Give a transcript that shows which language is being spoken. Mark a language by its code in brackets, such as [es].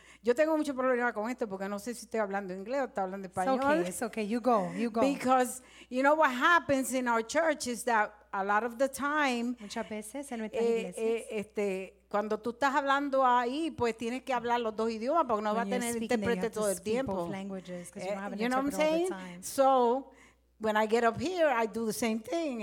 [es] Yo tengo mucho problema con esto porque no sé si estoy hablando inglés o estoy hablando español. [en] It's okay. You go. Because you know what happens in our church is that a lot of the time. [es] Muchas veces en nuestras iglesias. Cuando tú estás hablando ahí, pues tienes que hablar los dos idiomas porque no [en] when [es] va a tener intérprete todo el tiempo. [en] You know what I'm saying? So. When I get up here, I do the same thing.